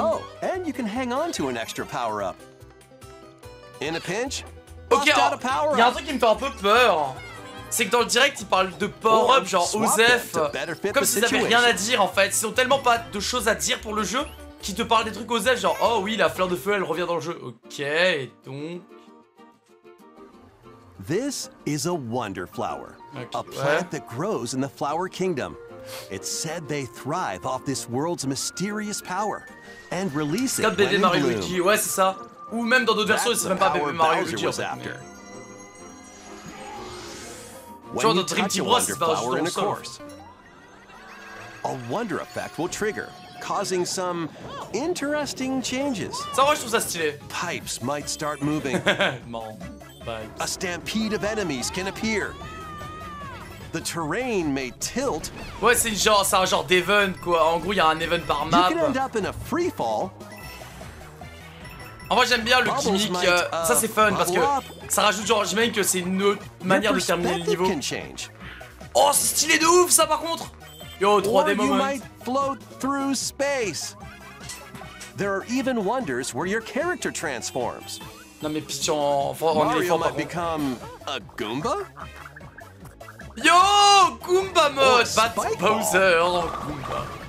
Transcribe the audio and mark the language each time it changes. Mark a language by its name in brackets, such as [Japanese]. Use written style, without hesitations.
[English] Oh, and you can hang on to an extra power up. In a pinch. [French] Ok, il y a un truc qui me fait un peu peur. C'est que dans le direct, ils parlent de power up genre OZEF, comme s'ils avaient rien à dire en fait. Ils ont tellement pas de choses à dire pour le jeu qu'ils te parlent des trucs OZEF genre oh oui la fleur de feu elle revient dans le jeu. Ok, et donc. [English] This is a wonder flower, a plant that grows in the Flower Kingdom. It's said they thrive off this world's mysterious power and release it when in bloom. [French] Ouais, c'est ça. Ou même dans d'autres versions, c'est même pas Bébé Mario Luigi, en fait. [English] When you touch a wonder flower in a course, a wonder effect will trigger, causing some interesting changes. [French] Ça, moi, je trouve ça stylé. [English] Pipes might start moving. A stampede of enemies can appear. The terrain may tilt. [French] Ouais, c'est genre, c'est un genre d'event quoi. En gros, il y a un event par map. [English] You can end up in a free fall. [French] En vrai, j'aime bien le gimmick. Ça, c'est fun parce que ça rajoute genre, j'imagine que c'est une autre manière de terminer le niveau. [English] Can change. [French] Oh, c'est stylé de ouf ça par contre. [English] Yo, 3D moment. You might float through space. There are even wonders where your character transforms. [French] Non mais pitch en éléphant par [English] become a Goomba? [French] Yo Goomba mode bat Bowser Goomba.